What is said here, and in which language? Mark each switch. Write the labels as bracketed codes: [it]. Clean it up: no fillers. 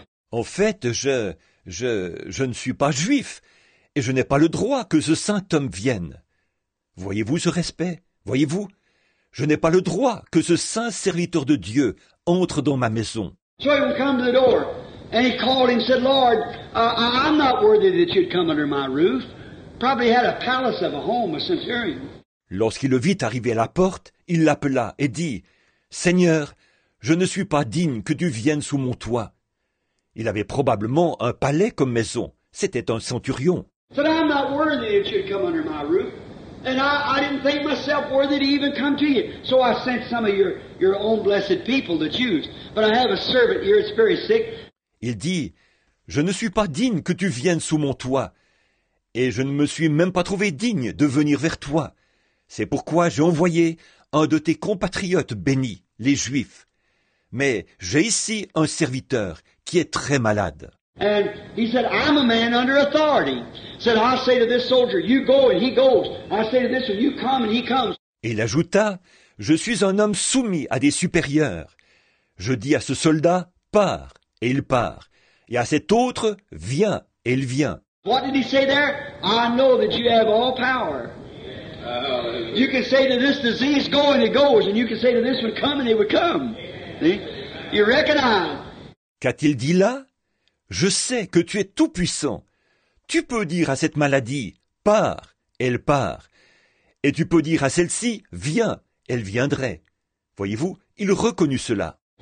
[fr] En fait, je ne suis pas juif et je n'ai pas le droit que ce saint homme vienne. Voyez-vous ce respect? Voyez-vous? Je n'ai pas le droit que ce saint serviteur de Dieu entre dans ma maison. [en] So he would come to the door, and he called him and said, Lord, I'm not worthy that you'd come under my roof. Probably had a palace of a home, a centurion. [fr] Lorsqu'il le vit arriver à la porte, il l'appela et dit, Seigneur, je ne suis pas digne que tu viennes sous mon toit. Il avait probablement un palais comme maison. C'était un centurion. [en] So I'm not worthy that you'd come under my roof. And I didn't think myself worthy to even come to you. So I sent some of your own blessed people, the Jews. But I have a servant here, it's very sick. [fr] Il dit, je ne suis pas digne que tu viennes sous mon toit. Et je ne me suis même pas trouvé digne de venir vers toi. C'est pourquoi j'ai envoyé un de tes compatriotes bénis, les Juifs. Mais j'ai ici un serviteur qui est très malade. [en] And he said, I'm a man under authority. Said, I say to this soldier, you go and he goes. I say to this one, you come and he comes. [fr] Et il ajouta, je suis un homme soumis à des supérieurs. Je dis à ce soldat, pars, et il part. Et à cet autre, viens, et il vient. [en] What did he say there? I know that you have all power. You can say to this disease, go and it goes. And you can say to this one, come and it would come. See? You recognize. [fr] Qu'a-t-il dit là? Je sais que tu es tout puissant. Tu peux dire à cette maladie, pars, elle part. Et tu peux dire à celle-ci, viens, elle viendrait. Voyez-vous, il reconnut cela.